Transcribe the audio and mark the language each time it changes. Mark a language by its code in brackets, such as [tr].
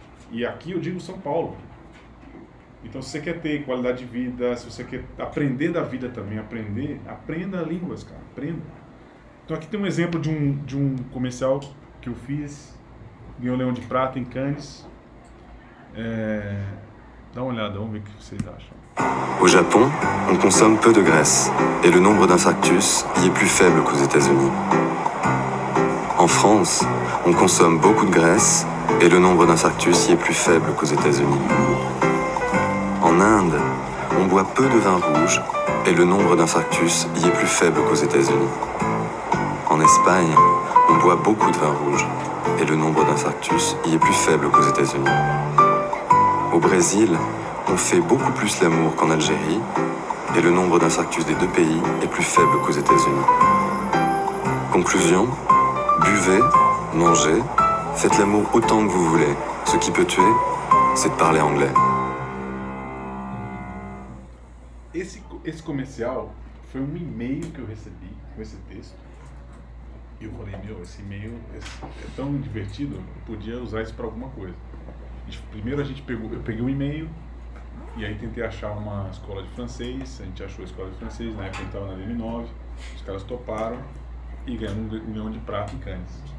[pt] E aqui eu digo São Paulo. Então se você quer ter qualidade de vida, se você quer aprender da vida também, aprenda línguas, cara, aprenda. Então aqui tem um exemplo de um comercial que eu fiz, ganhou Leão de Prata em Cannes. Dá uma olhada, vamos ver o que vocês acham. [fr] Au Japon, on consomme peu de graisse et le nombre d'infarctus y est plus faible qu'aux États-Unis. En France, on consomme beaucoup de graisse et le nombre d'infarctus y est plus faible qu'aux États-Unis. En Inde, on boit peu de vin rouge et le nombre d'infarctus y est plus faible qu'aux États-Unis. En Espagne, on boit beaucoup de vin rouge et le nombre d'infarctus y est plus faible qu'aux États-Unis. Au Brésil, on fait beaucoup plus l'amour qu'en Algérie, et le nombre d'infarctus des deux pays est plus faible qu'aux États-Unis. Conclusion, buvez, mangez, faites l'amour autant que vous voulez. Ce qui peut tuer, c'est de parler anglais. [pt] Esse comercial foi e-mail que eu recebi com esse texto. E eu falei, meu, esse e-mail é tão divertido, eu podia usar isso para alguma coisa. Primeiro a gente pegou, eu peguei um e-mail e aí tentei achar uma escola de francês, a gente achou a escola de francês, na época eu estava na DM9, os caras toparam e ganhamos um milhão de prata em Cannes.